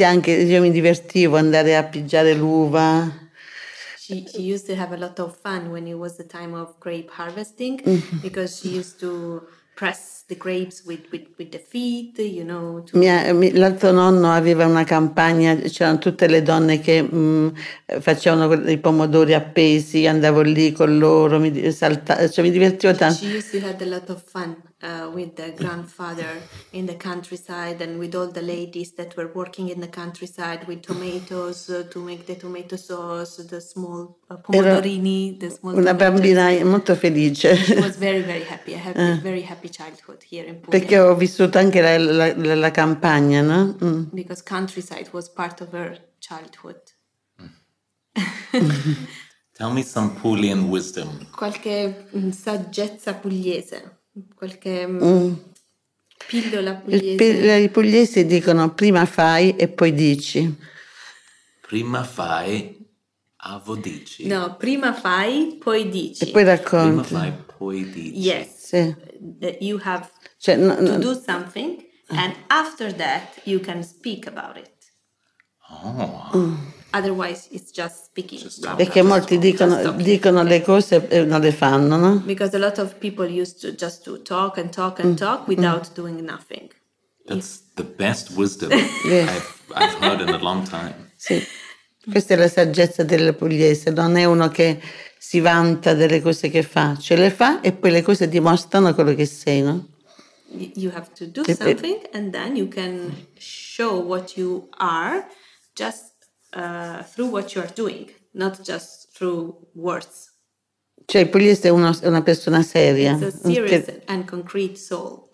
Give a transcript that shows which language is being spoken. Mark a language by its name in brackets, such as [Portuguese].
[Italian] young, io mi divertivo andare a pigiare l'uva. [English] She used to have a lot of fun when it was the time of grape harvesting because she used to press the grapes with the feet, you know. [Italian] L'altro nonno aveva una campagna, c'erano tutte le donne che facevano i pomodori appesi, andavo lì con loro, mi divertivo tanto. [English] She used to have a lot of fun with the grandfather in the countryside and with all the ladies that were working in the countryside with tomatoes to make the tomato sauce, the small pomodorini. [Italian] Una bambina molto felice. [English] She was very, very happy. I had a very happy childhood. Here in Puglia. [Italian] Perché ho vissuto anche la campagna, no? Mm. [English] Because countryside was part of her childhood. Tell me some Puglian wisdom. [Italian] Qualche saggezza pugliese, qualche pillola pugliese. I pugliesi dicono prima fai e poi dici. Prima fai, avo dici. No, prima fai, poi dici. E poi racconti. Prima fai, poi dici. [English] Yes. [Italian] Sì. [English] You have to do something and after that you can speak about it. Oh. Otherwise it's just speaking. Just [Italian] perché molti dicono le cose e non le fanno, no? [English] Because a lot of people used to just to talk and talk and talk without doing nothing. That's the best wisdom I've heard in a long time. [Italian] Sì. Questa è la saggezza del pugliese, non è uno che si vanta delle cose che fa, ce le fa e poi le cose dimostrano quello che sei, no? [English] You have to do something and then you can show what you are just through what you are doing, not just through words. [Italian] Cioè il pugliese è una persona seria. [English] It's a serious and concrete soul.